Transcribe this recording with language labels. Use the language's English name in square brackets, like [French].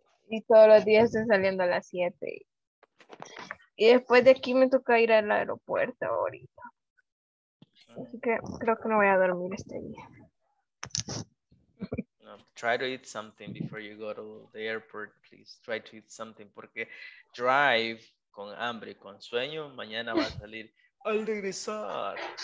[Spanish] Y todos los días estoy saliendo a las 7. Y después de aquí me toca ir al aeropuerto ahorita. Así que creo que no voy a dormir este día. [English] No, try to eat something before you go to the airport, please. Try to eat something, [Spanish] porque drive con hambre y con sueño, mañana va a salir al regresar.